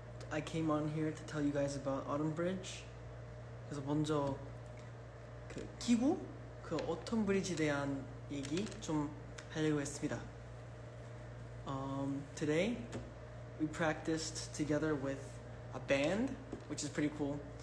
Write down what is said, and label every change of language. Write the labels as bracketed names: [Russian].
[English] I came on here to tell you guys about Autumn Bridge. [Korean] 그래서 먼저 그 기구 그 어떤 브릿지에 대한 얘기 좀 하려고 했습니다. [English] Today we practiced together with a band, which is pretty cool.